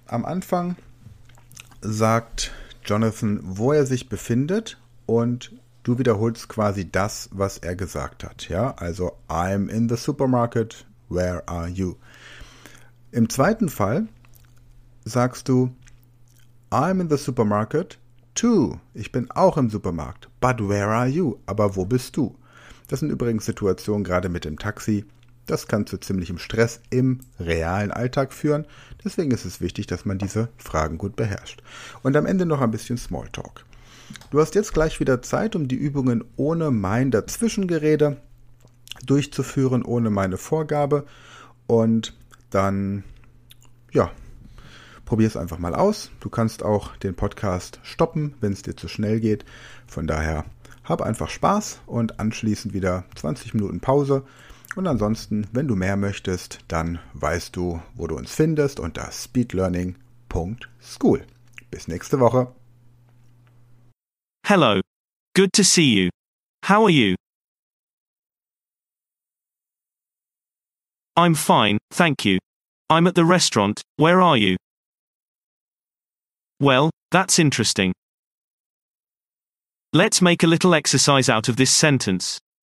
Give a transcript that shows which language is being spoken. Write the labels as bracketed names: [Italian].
[German] Am Anfang sagt Jonathan, wo er sich befindet und du wiederholst quasi das, was er gesagt hat. Ja, also, [English] I'm in the supermarket, where are you? [German] Im zweiten Fall sagst du, [English] I'm in the supermarket too. [German] Ich bin auch im Supermarkt, [English] but where are you? [German] Aber wo bist du? Das sind übrigens Situationen, gerade mit dem Taxi, das kann zu ziemlichem Stress im realen Alltag führen. Deswegen ist es wichtig, dass man diese Fragen gut beherrscht. Und am Ende noch ein bisschen Smalltalk. Du hast jetzt gleich wieder Zeit, um die Übungen ohne mein Dazwischengerede durchzuführen, ohne meine Vorgabe. Und dann, ja, probier es einfach mal aus. Du kannst auch den Podcast stoppen, wenn es dir zu schnell geht. Von daher, hab einfach Spaß und anschließend wieder 20 Minuten Pause. Und ansonsten, wenn du mehr möchtest, dann weißt du, wo du uns findest unter speedlearning.school. Bis nächste Woche. [English] Hello. Good to see you. How are you? I'm fine, thank you. I'm at the restaurant, where are you? Well, that's interesting. Let's make a little exercise out of this sentence.